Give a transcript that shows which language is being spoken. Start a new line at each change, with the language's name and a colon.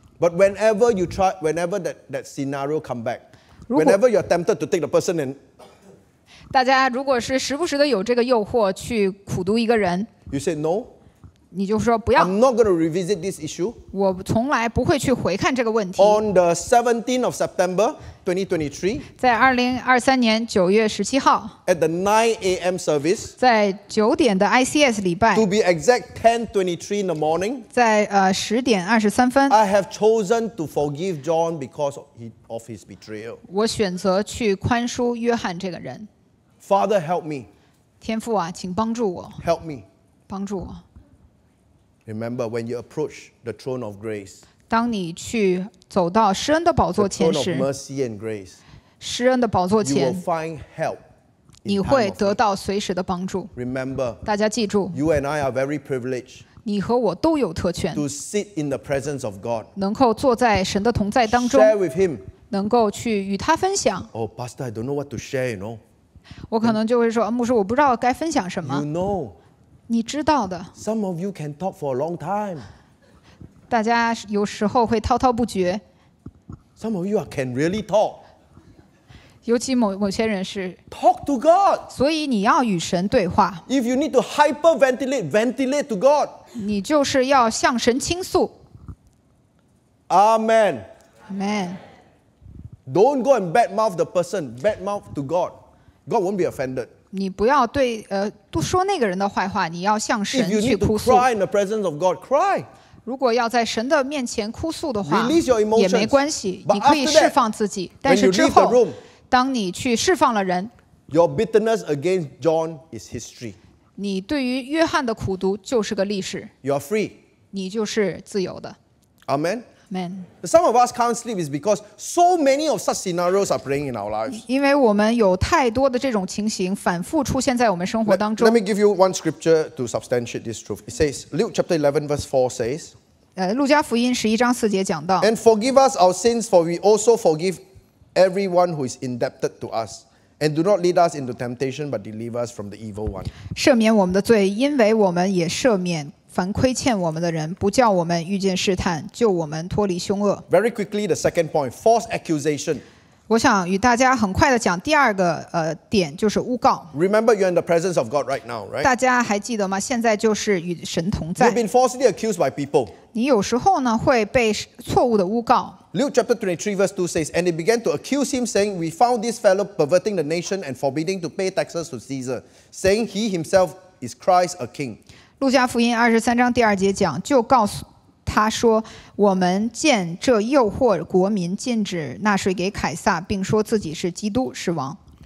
English: But whenever you try, whenever that scenario come back,Whenever you're tempted to take the person in,
Chinese: 大家如果是时不时的有这个诱惑去苦读一个人
English: ，You say no，
Chinese: 你就说不要。
English: I'm not going to revisit this issue.
Chinese: 我从来不会去回看这个问题。
English: On the 17th of September, 2023,
Chinese: 在2023年9月17号
English: ，at the 9 a.m. service，
Chinese: 在九点的 ICS 礼拜
English: ，to be exact 10:23 in the morning，
Chinese: 在10:23
English: ，I have chosen to forgive John because of his betrayal.
Chinese: 我选择去宽恕约翰这个人。
English: Father, help me.
Chinese: 天父啊，请帮助我。
English: Help me.
Chinese: 帮助我。
English: Remember when you approach the throne of grace.
Chinese: 当你去走到施恩的宝座前时
English: The throne of mercy and grace.
Chinese: 施恩的宝座前
English: You will find help.
Chinese: 你会得到随时的帮助
English: Remember.
Chinese: 大家记住
English: You and I are very privileged.
Chinese: 你和我都有特权
English: To sit in the presence of God.
Chinese: 能够坐在神的同在当中
English: Share with him.
Chinese: 能够去与他分享
English: Oh pastor, I don't know what to share, you know.
Chinese: 我可能就会说牧师我不知道该分享什么
English: You know.
Chinese: 你知道的。
English: Some of you can talk for a long time.
Chinese: 大家有时候会滔滔不绝。
English: Some of you can really talk.
Chinese: 尤其某些人是。
English: Talk to God.
Chinese: 所以你要与神对话。
English: If you need to hyperventilate, ventilate to God.
Chinese: 你就是要向神倾诉。
English: Amen. Amen. Don't go and badmouth the person. Badmouth to God. God won't be offended.
Chinese: 你不要对不说那个人的坏话，你要向神去哭诉。
English: If you need to cry in the presence of God, cry.
Chinese: 如果要在神的面前哭诉的话，
English: release your emotions,
Chinese: 也没关系，你可以释放自己。但是之后，当你去释放了人，
English: your bitterness against John is history.
Chinese: 你对于约翰的苦读就是个历史。
English: You are free.
Chinese: 你就是自由的。
English: Amen. Amen. Some of us can't sleep is because so many of such scenarios are playing in our lives.
Chinese: 因为我们有太多的这种情形反复出现在我们生活当中。
English: Let me give you one scripture to substantiate this truth. It says, Luke chapter 11 verse 4 says,
Chinese: 路加福音11章4节讲到，
English: And forgive us our sins, for we also forgive everyone who is indebted to us. And do not lead us into temptation, but deliver us from the evil one.
Chinese: 赦免我们的罪，因为我们也赦免凡亏欠我们的人，不叫我们遇见试探，救我们脱离凶恶。
English: Very quickly, the second point, false accusation.
Chinese: 我想与大家很快的讲第二个点，就是诬告。
English: Remember, you're in the presence of God right now, right?
Chinese: 大家还记得吗？现在就是与神同在。
English: You've been falsely accused by people.
Chinese: 你有时候呢会被错误的诬告。
English: Luke chapter 23 verse 2 says, And they began to accuse him, saying, We found this fellow perverting the nation and forbidding to pay taxes to Caesar, saying he himself is Christ a king.
Chinese: 路加福音23章第二节讲，就告诉他说，我们见这诱惑国民禁止纳税给凯撒，并说自己是基督，是王。